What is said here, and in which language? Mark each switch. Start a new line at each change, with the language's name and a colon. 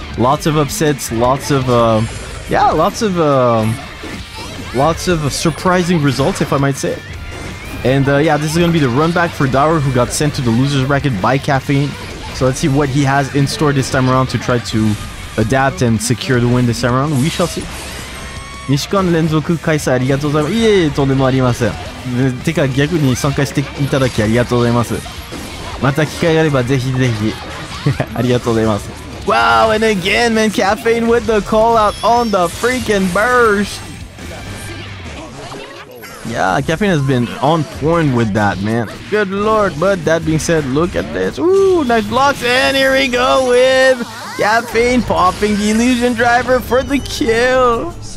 English: Lots of upsets, lots of, surprising results, if I might say. And yeah, this is going to be the run back for Daru, who got sent to the loser's bracket by Caffeine. So let's see what he has in store this time around to try to adapt and secure the win this time around. We shall see.
Japanese: 2週間連続開催ありがとうございます。いえいえ、とんでもありません。てか逆に参加していただきありがとうございます。また機会があればぜひぜひ。ありがとうございます。
English: Wow, and again, man, Caffeine with the call out on the freaking burst! Yeah, Caffeine has been on point with that, man. Good lord, but that being said, look at this. Ooh, nice blocks, and here we go with Caffeine popping the illusion driver for the kill.